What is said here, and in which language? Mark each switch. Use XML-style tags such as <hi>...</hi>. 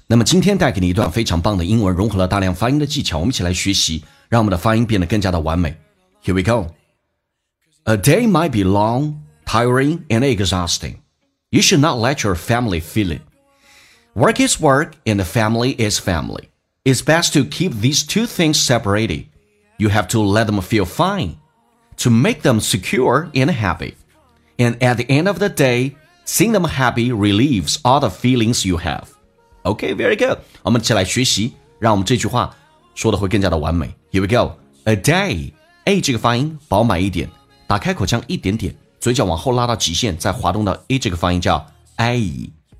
<zh>那么今天带给你一段非常棒的英文，融合了大量发音的技巧，我们一起来学习，让我们的发音变得更加的完美。</zh> <en>Here we go. A day might be long, tiring, and exhausting. You should not let your family feel it. Work is work, and the family is family. It's best to keep these two things separated. You have to let them feel fine, to make them secure and happy. And at the end of the daySeeing them happy relieves all the feelings you have. Okay, very good.</en> <zh>我们一起来学习，让我们这句话说的会更加的完美。</zh> <en>Here we go. A day.</en> <zh>A 这个发音饱满一点，打开口腔一点点，嘴角往后拉到极限，再滑动到 A 这个发音叫 A.</zh>